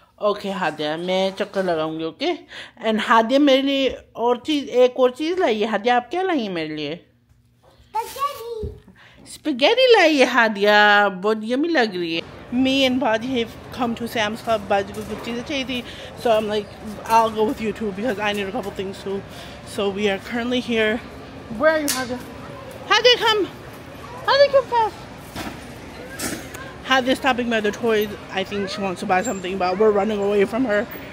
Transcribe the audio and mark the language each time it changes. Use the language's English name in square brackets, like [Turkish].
[Hindi] Okay, Hadia, मैं चक्कर लगाऊंगी, okay? And Hadia, मेरे लिए एक और चीज लाई है. Hadia, आप क्या लाई है मेरे लिए? [English] Spaghetti. [Hindi] Spaghetti लाई है Hadia, बहुत yummy लग रही है. [English] Me and Baji have come to Sam's Club. [Hindi] Baji ko kuch cheeze chahiye thi, [English] so I'm like, I'll go with you too because I need a couple things too. So we are currently here. Where are you, Hadia? Hadia, come! Hadia, come fast! Hadia's stopping by the toys. I think she wants to buy something, but we're running away from her.